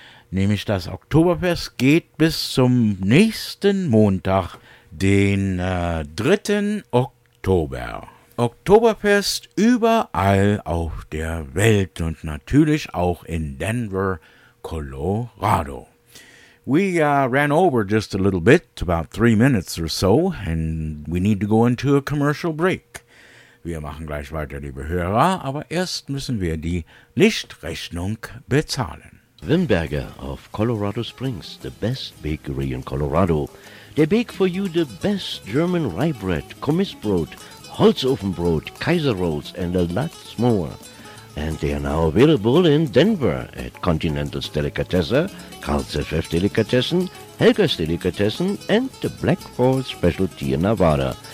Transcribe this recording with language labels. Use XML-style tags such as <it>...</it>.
<de>Nämlich das Oktoberfest geht bis zum nächsten Montag, den 3. Oktober. Oktoberfest überall auf der Welt und natürlich auch in Denver, Colorado.</de> <en>We ran over just a little bit, about 3 minutes or so, and we need to go into a commercial break.</en> <de>Wir machen gleich weiter, liebe Hörer, aber erst müssen wir die Lichtrechnung bezahlen.</de> <en>Wimberger of Colorado Springs, the best bakery in Colorado. They bake for you the best German rye bread, Kommissbrot, Holzofenbrot, Kaiser Rolls and a lot more. And they are now available in Denver at Continental's Delicatesse, Karl Zeffers Delicatessen, Helga's Delicatessen, and the Black Falls Specialty in Nevada.</en>